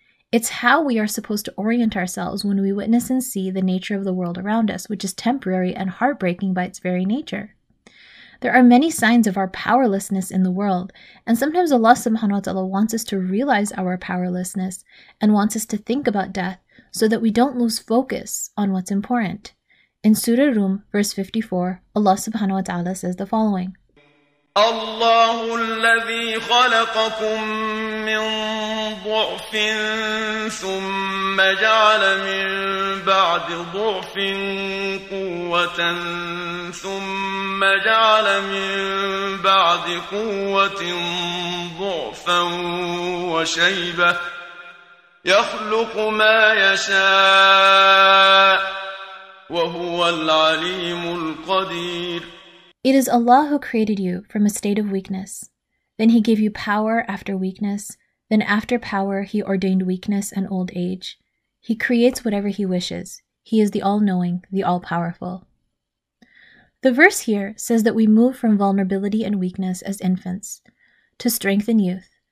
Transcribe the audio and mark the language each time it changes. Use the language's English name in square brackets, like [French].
[English] It's how we are supposed to orient ourselves when we witness and see the nature of the world around us, which is temporary and heartbreaking by its very nature. There are many signs of our powerlessness in the world, and sometimes Allah subhanahu wa ta'ala wants us to realize our powerlessness and wants us to think about death so that we don't lose focus on what's important. In Surah Rum, verse 54, Allah subhanahu wa ta'ala says the following. [Arabic] الله الذي خلقكم من ضعف ثم جعل من بعد ضعف قوة ثم جعل من بعد قوة ضعفا وشيبة يخلق ما يشاء وهو العليم القدير [English] It is Allah who created you from a state of weakness. Then He gave you power after weakness. Then after power, He ordained weakness and old age. He creates whatever He wishes. He is the all-knowing, the all-powerful. The verse here says that we move from vulnerability and weakness as infants to strength and youth.